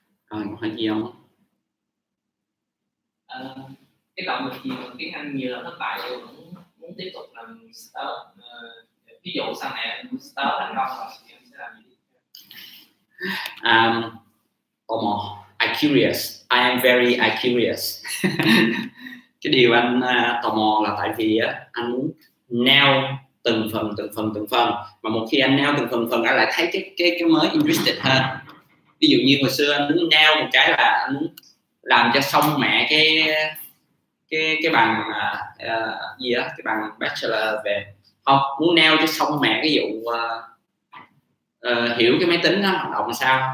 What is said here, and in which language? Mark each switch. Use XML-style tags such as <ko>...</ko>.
<vi>Rồi, hỏi gì không? Cái động lực gì mà cái anh nhiều lần thất bại rồi vẫn muốn tiếp tục làm start, ví dụ sau này anh muốn start thành công rồi thì anh sẽ làm gì? Tò mò,</vi> <en>I curious, I am very I curious.</en> <vi>Cái điều anh tò mò là tại vì anh nail từng phần mà một khi anh nail từng phần đã lại thấy cái mới interested hơn. Ví dụ như hồi xưa anh muốn nail một cái là anh muốn làm cho xong mẹ cái bằng gì á, cái bằng bachelor về học, muốn nail cho xong mẹ cái vụ hiểu cái máy tính nó hoạt động sao.</vi>